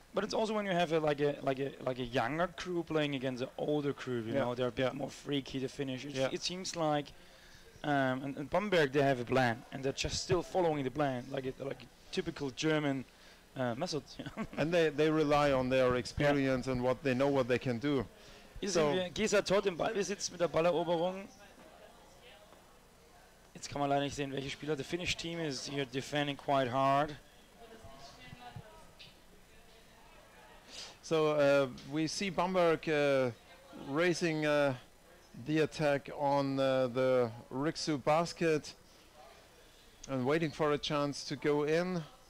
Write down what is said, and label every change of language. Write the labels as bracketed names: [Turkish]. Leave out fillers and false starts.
[English] But it's also when you have a younger crew playing against an older crew, you know, they're a bit more freaky to finish. It seems like, and Bamberg, they have a plan, and they're just still following the plan, like a typical German method. And they rely on their experience and what they know what they can do. [German] So Gesa Todd im Ballbesitz mit der Balleroberung. Jetzt kann man leider nicht sehen, welche Spieler. [English] The Finnish team is here defending quite hard. So we see Bamberg raising the attack on the Riksu basket and waiting for a chance to go in.